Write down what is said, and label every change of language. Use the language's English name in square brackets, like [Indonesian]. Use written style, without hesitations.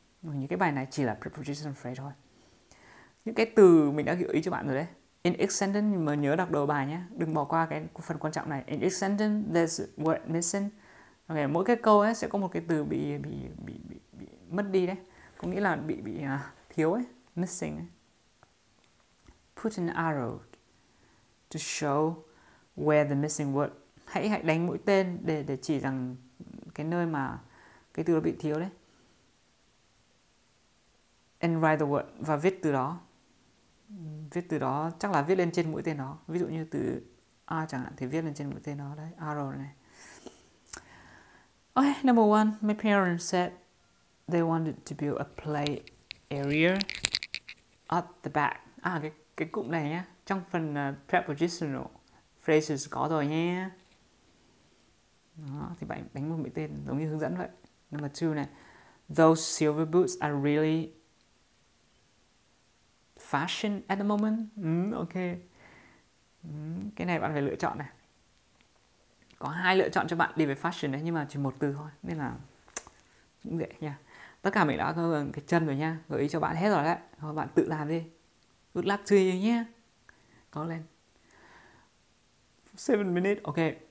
[Vietnamese] Những cái bài này chỉ là prepositional phrase thôi. Những cái từ mình đã gợi ý cho bạn rồi đấy. [English] In each sentence, [Vietnamese] mà nhớ đọc đầu bài nhé. Đừng bỏ qua cái phần quan trọng này. [English] In each sentence, there's a word missing. [Vietnamese] Ok, mỗi cái câu ấy sẽ có một cái từ bị mất đi đấy. Có nghĩa là bị thiếu ấy. Missing ấy. [English] Put an arrow to show where the missing word. [Vietnamese] Hãy đánh mũi tên để chỉ rằng cái nơi mà cái từ đó bị thiếu đấy. [English] And write the word. [Vietnamese] Và viết từ đó. Viết từ đó chắc là viết lên trên mũi tên đó. Ví dụ như từ A chẳng hạn thì viết lên trên mũi tên đó đấy. Arrow này. [English] Okay, number one. My parents said they wanted to build a play area at the back. [Vietnamese] À, cái cụm này nhé. Trong phần prepositional phrases có rồi nhé. Đó, thì bạn đánh một mũi tên giống như hướng dẫn vậy. [English] Number two này. Those silver boots are really fashion at the moment. Ok. [Vietnamese] Cái này bạn phải lựa chọn này. Có hai lựa chọn cho bạn đi về fashion đấy, nhưng mà chỉ một từ thôi. Nên là cũng dễ nha. Tất cả mình đã có cái chân rồi nha. Gợi ý cho bạn hết rồi đấy. Thôi bạn tự làm đi. [English] Good luck to you [Vietnamese] nhé. Có lên. 7 minutes. Ok.